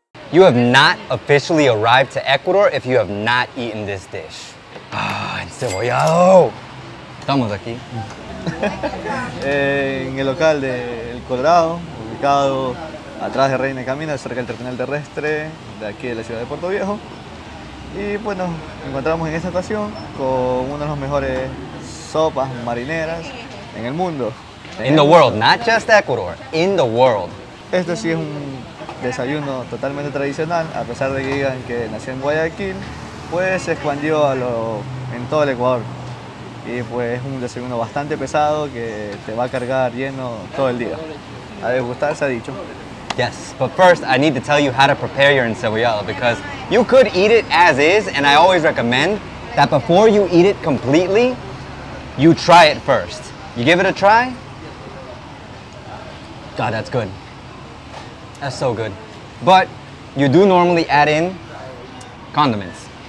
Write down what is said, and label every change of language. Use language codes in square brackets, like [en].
[en] You have not officially arrived to Ecuador if you have not eaten this dish. [es] Ah, encebollado. Estamos aquí. En el local de El Colorado, ubicado atrás de Reina y Camino, cerca del terminal terrestre de aquí de la ciudad de Portoviejo. Y bueno, encontramos en esta estación con uno de los mejores sopas marineras en el mundo. [en] In the world, not just Ecuador, in the world. [es] Este sí es un desayuno totalmente tradicional, a pesar de que digan que nació en Guayaquil, pues se expandió en todo el Ecuador. Y pues es un desayuno bastante pesado que te va a cargar lleno todo el día. A degustar se ha dicho. [en] Yes, but first I need to tell you how to prepare your encebollado, because you could eat it as is, and I always recommend that before you eat it completely, you try it first. You give it a try? God, that's good. That's so good. But you do normally add in condiments.